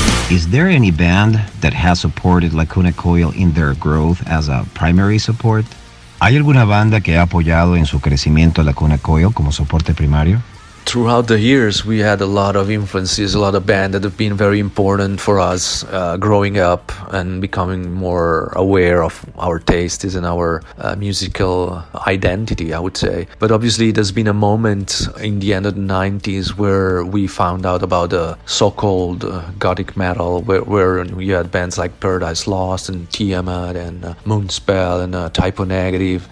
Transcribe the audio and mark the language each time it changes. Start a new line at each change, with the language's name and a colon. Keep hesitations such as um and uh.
English: Is there any band that has supported Lacuna Coil in their growth as a primary support?
Spanish: ¿Hay alguna banda que ha apoyado en su crecimiento a Lacuna Coil como soporte primario?
English: Throughout the years, we had a lot of influences, a lot of bands that have been very important for us uh, growing up and becoming more aware of our tastes and our uh, musical identity, I would say. But obviously, there's been a moment in the end of the 90s where we found out about the so called uh, gothic metal, where, where you had bands like Paradise Lost and Tiamat and uh, Moonspell and uh, Typo Negative.